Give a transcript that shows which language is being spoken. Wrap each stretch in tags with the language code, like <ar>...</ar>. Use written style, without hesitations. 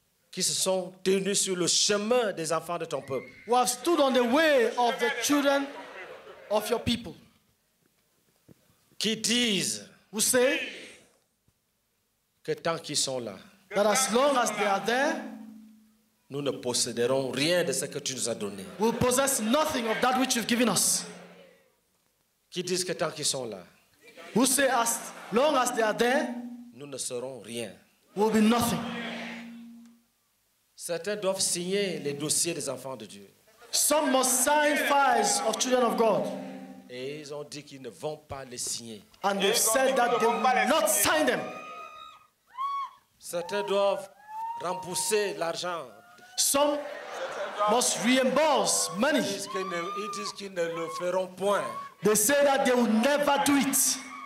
<fr>Qui se sont tenus sur le chemin des enfants de ton peuple.</fr> <en>Who have stood on the way of the children of your people.</en> <fr>Qui disent.</fr> <en>Who say.</en> <fr>Que tant qu'ils sont là.</fr> <en>That as long as they are there,</en> <fr>nous ne posséderons rien de ce que tu nous as donné.</fr> <en>We'll possess nothing of that which you've given us.</en> <fr>Qui disent que tant qu'ils sont là,</fr> <en>who say as long as they are there,</en> <fr>nous ne serons rien.</fr> <en>We'll be nothing.</en> <fr>Certains doivent signer les dossiers des enfants de Dieu.</fr> <en>Some must sign files of children of God.</en> <fr>Et ils ont dit qu'ils ne vont pas les signer.</fr> <en>And they've said that they will not sign them.</en> <fr>Certains doivent rembourser l'argent.</fr> <en>Some must reimburse money.</en> <fr>Ils disent qu'ils ne le feront point.</fr> <en>They say that they will never do it.</en>